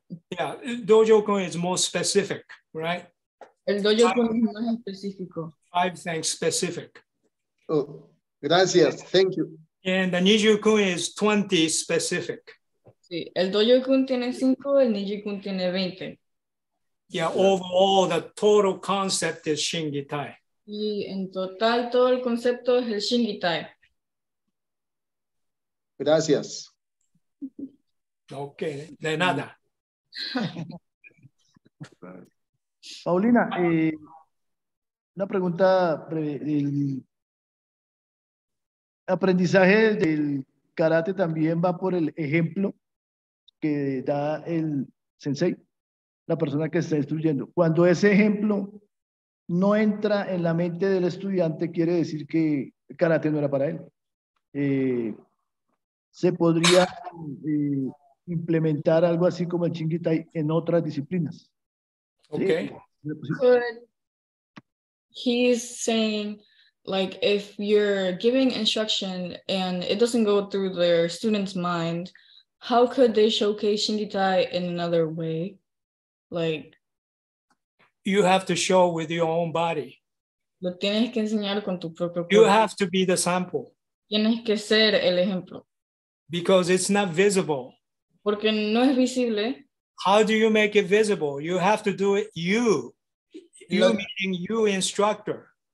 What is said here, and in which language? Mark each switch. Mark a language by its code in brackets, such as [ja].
[en] Yeah, Dojo-kun is more specific, right? [es] El Dojo-kun es más específico. [en] Five things specific. Oh, [es] gracias, [en] thank you. And the Nijū-kun is 20 specific. [es] Sí, el Dojo-kun tiene 5, el Nijū-kun tiene 20. [en] Yeah, overall, the total concept is Shin Gi Tai. [es] Y en total, todo el concepto es el Shin Gi Tai. Gracias. Ok, de nada. Paulina, una pregunta breve. El aprendizaje del karate también va por el ejemplo que da el sensei, la persona que está instruyendo. Cuando ese ejemplo no entra en la mente del estudiante, quiere decir que karate no era para él. ¿Se podría implementar algo así como el Shin Gi Tai en otras disciplinas? [en] Okay. [es] ¿Sí? [en] But he's saying, like, if you're giving instruction and it doesn't go through their student's mind, how could they showcase Shin Gi Tai in another way? Like, you have to show with your own body. [es] Lo tienes que enseñar con tu propio cuerpo. [en] You have to be the sample. [es] Tienes que ser el ejemplo. [en] Because it's not visible. [es] Porque no es visible. [en] How do you make it visible? You have to do it you. You meaning you instructor.